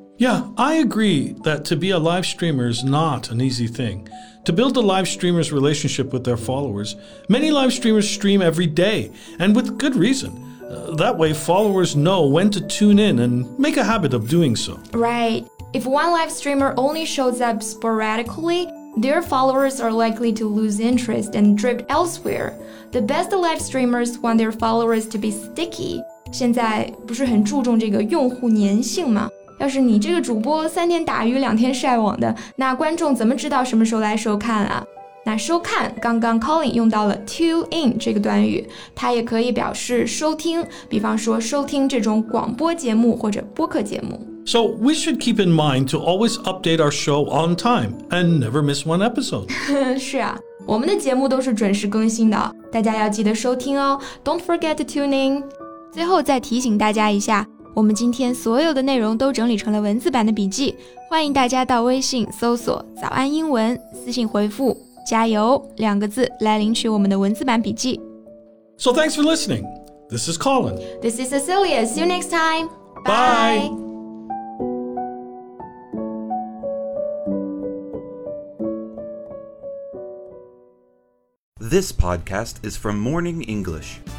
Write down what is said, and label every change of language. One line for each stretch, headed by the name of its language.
English: Yeah, I agree that to be a live streamer is not an easy thing. To build a live streamer's relationship with their followers, many live streamers stream every day, and with good reason. That way, followers know when to tune in and make a habit of doing so. Right. If one live streamer only shows up sporadically, their followers are likely to lose interest and drift elsewhere. The best live streamers want their followers to be sticky.
Chinese: 现在不是很注重这个用户粘性吗？要是你这个主播三天打鱼两天晒网的，那观众怎么知道什么时候来收看啊？那收看，刚刚 Colin 用到了 tune in 这个短语，它也可以表示收听，比方说收听这种广播节目或者播客节目。
English: So we should keep in mind to always update our show on time and never miss one episode.
Chinese: 是啊，我们的节目都是准时更新的，大家要记得收听哦。
English: Don't forget to tune in.
Chinese: 最后再提醒大家一下，我们今天所有的内容都整理成了文字版的笔记，欢迎大家到微信搜索早安英文，私信回复加油两个字来领取我们的文字版笔记。
English: So thanks for listening. This is Colin. This is Cecilia. See you next time. Bye. Bye. This podcast is from Morning English.